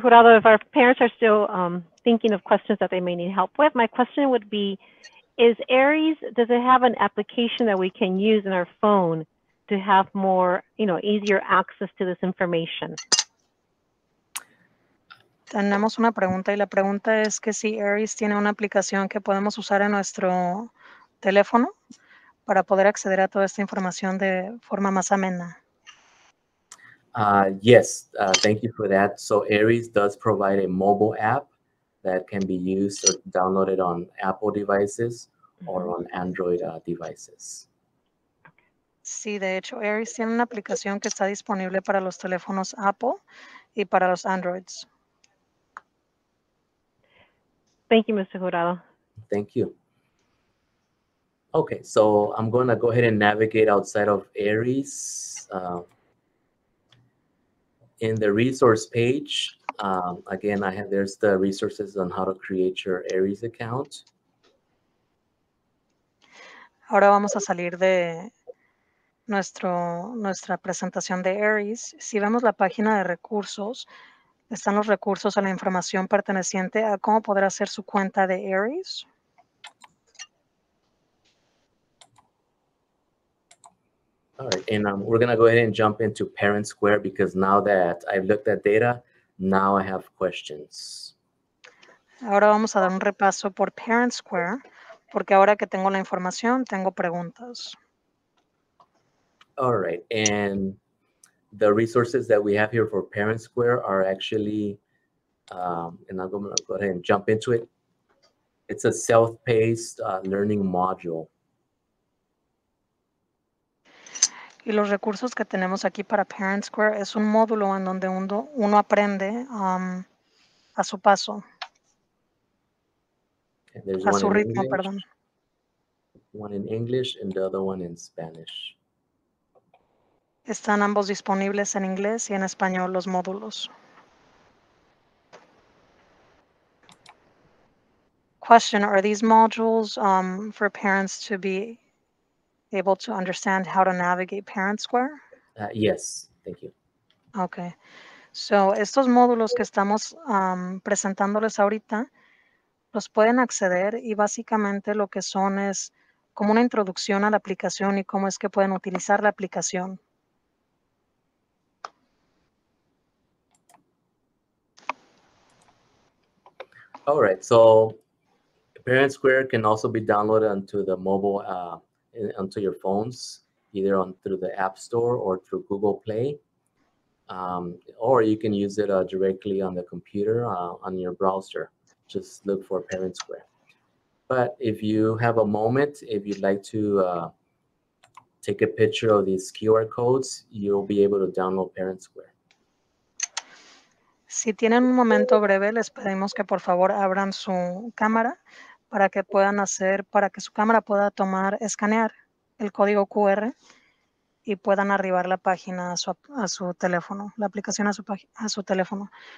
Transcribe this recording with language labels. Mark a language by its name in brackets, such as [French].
[English] Jurado, if our parents are still thinking of questions that they may need help with, my question would be, is Aeries, does it have an application that we can use in our phone to have more, you know, easier access to this information? [Spanish] Tenemos una pregunta y la pregunta es que si Aeries tiene una aplicación que podemos usar en nuestro teléfono para poder acceder a toda esta información de forma más amena. [English] Yes, thank you for that. So Aeries does provide a mobile app that can be used or downloaded on Apple devices or on Android devices. [Spanish] Sí, de hecho, Aeries tiene una aplicación que está disponible para los teléfonos Apple y para los Androids. [English] Thank you, Mr. Jurado. Thank you. Okay, so I'm going to go ahead and navigate outside of Aeries. In the resource page, again, I have there's the resources on how to create your Aeries account. [Spanish] Ahora vamos a salir de nuestra presentación de Aeries. Si vemos la página de recursos, están los recursos a la información perteneciente a cómo poder hacer su cuenta de Aeries. [English] All right, and we're going to go ahead and jump into ParentSquare because now that I've looked at data, now I have questions. [Spanish] Ahora vamos a dar un repaso por ParentSquare porque ahora que tengo la información, tengo preguntas. [English] All right, and the resources that we have here for ParentSquare are actually, and I'm going to go ahead and jump into it. It's a self-paced learning module. [Spanish] Y los recursos que tenemos aquí para ParentSquare es un módulo en donde uno aprende a su paso, a su ritmo, perdón. [English] One in English and the other one in Spanish. [Spanish] Están ambos disponibles en inglés y en español los módulos. [English] Question, are these modules for parents to be able to understand how to navigate ParentSquare? Yes, thank you. Okay, so [Spanish] estos módulos que estamos presentándoles ahorita, los pueden acceder y básicamente lo que son es como una introducción a la aplicación y cómo es que pueden utilizar la aplicación. [English] All right, so ParentSquare can also be downloaded onto the mobile onto your phones, either on through the App Store or through Google Play, or you can use it directly on the computer on your browser. Just look for ParentSquare. But if you have a moment, if you'd like to take a picture of these QR codes, you'll be able to download ParentSquare. [Spanish] Si tienen un momento breve, les pedimos que por favor abran su cámara para que puedan hacer, para que su cámara pueda tomar, escanear el código QR y puedan arribar la página a su teléfono, la aplicación a su teléfono.